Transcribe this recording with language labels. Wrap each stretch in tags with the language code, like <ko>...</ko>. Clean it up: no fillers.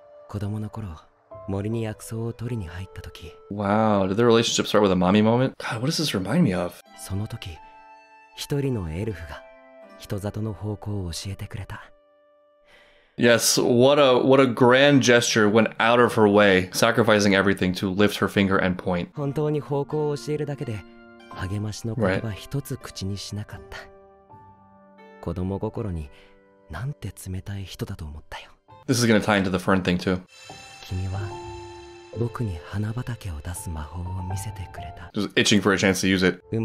<en>Wow, did their relationship start with a mommy moment? God, what does this remind me of?</en> <ja>その時, 一人のエルフが人里の方向を教えてくれた。</ja> <en>Yes, what a grand gesture went out of her way, sacrificing everything to lift her finger and point.</en> <ja>本当に方向を教えるだけで励ましの言葉一つ口にしなかった。子供心になんて冷たい人だと思ったよ。</ja> <en>This is going to tie into the Fern thing too.</en> <ja>君は 僕に花畑を出す魔法を見せてくれた。</ja> <en>Just itching for a chance to use it.</en>